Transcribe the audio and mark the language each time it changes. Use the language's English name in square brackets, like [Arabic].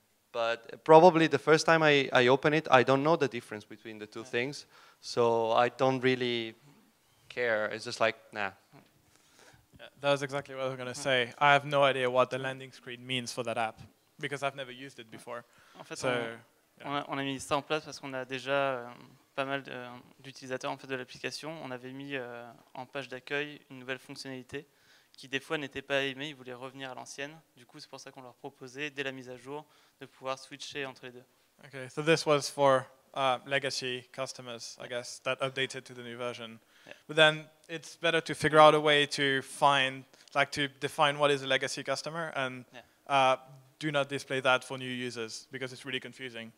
[English] But probably the first time I open it, I don't know the difference between the two things. So I don't really care. It's just like, nah. Yeah, that was exactly what I was going to say. I have no idea what the landing screen means for that app, because I've never used it before. [French] En fait, [English] so, [French] on a mis ça en place parce qu'on a déjà pas mal d'utilisateurs en fait, de l'application. On avait mis en page d'accueil une nouvelle fonctionnalité qui, des fois, n'était pas aimée. Ils voulaient revenir à l'ancienne. Du coup, c'est pour ça qu'on leur proposait, dès la mise à jour, de pouvoir switcher entre les deux. [English] OK, so this was for legacy customers, I guess, that updated to the new version. But then it's better to figure out a way to find, like to define what is a legacy customer and do not display that for new users because it's really confusing.